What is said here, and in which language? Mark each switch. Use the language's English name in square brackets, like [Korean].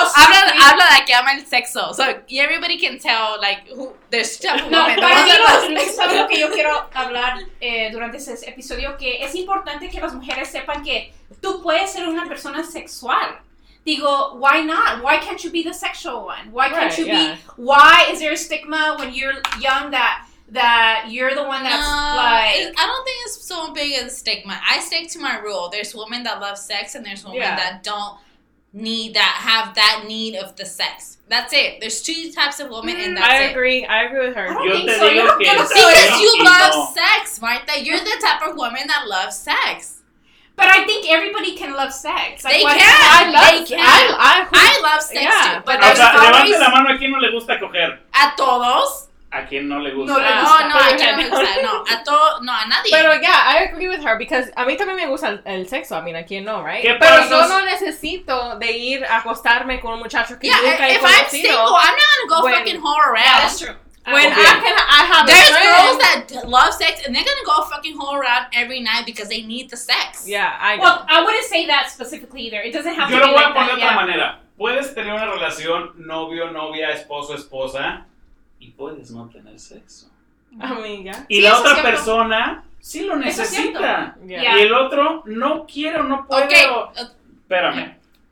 [Spanish] soy... Habla de que ama el sexo. [English] So, everybody can tell, like, there's just a moment. [Spanish] No, para mí, sabes lo que yo quiero hablar durante ese episodio, que es importante que las mujeres sepan que tú puedes ser una persona sexual. Digo, [English] why not? Why can't you be the sexual one? Why can't you be? Why is there a stigma when you're young that you're the one that's I don't think it's so big a stigma. I stick to my rule. There's women that love sex and there's women that don't need that, have that need of the sex. That's it. There's two types of women and that's it. I agree with her. Because you love sex, right? That you're the type of woman that loves sex. But I think everybody can love sex. Like, they can. I love sex too. But [Spanish] o sea, levante la mano a quien no le gusta coger. A todos. A quien no le gusta. No, a nadie. Pero [English] yeah, I agree with her because [Spanish] a mí también me gusta el sexo. [English] I mean, [Spanish] a quien no, [English] right? [Spanish] Pero yo no necesito de ir a acostarme con un muchacho que nunca he conocido. [English] If I'm single, I'm not gonna go fucking whore around. Yeah, that's true. I have girls that love sex and they're gonna go fucking whore around every night because they need the sex. Yeah, I know. Well, I wouldn't say that specifically either. It doesn't have to be like that. [Spanish] Yo lo voy a poner de otra manera. Puedes tener una relación novio, novia, esposo, esposa y puedes no tener sexo. Amiga. Y sí, la otra persona sí lo necesita. [English] Yeah. [Spanish] Y el otro no quiere o no puede. [English] Okay. [Spanish] Espérame. [English] Yeah.